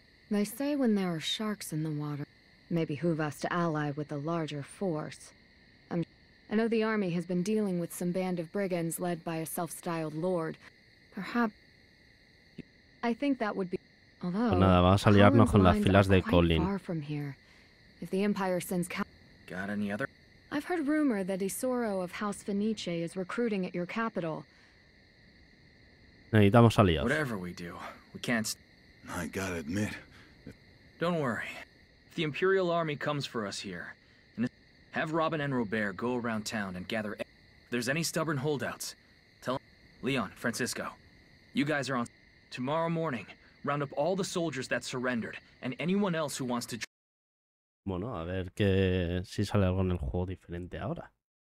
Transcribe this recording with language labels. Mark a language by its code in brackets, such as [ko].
[en] They say when there are sharks in the water, may behoove us to ally with a larger force. I know the army has been dealing with some band of brigands led by a self-styled lord. Perhaps... I think that would be... Although... [es] Nada, vamos a liarnos con las filas de Colin. [en] Far from here. If the Empire sends... Got any other... I've heard rumor that Isoro of House Fenice is recruiting at your capital. [es] Necesitamos aliados. [en] Whatever we do, we can't... I gotta admit... Don't worry. If the Imperial Army comes for us here, and have Robin and Robert go around town and gather... If there's any stubborn holdouts, tell... Leon, Francisco, you guys are on... Tomorrow morning, round up all the soldiers that surrendered, and anyone else who wants to... [es] Bueno, a ver que si sale algo en el juego diferente ahora.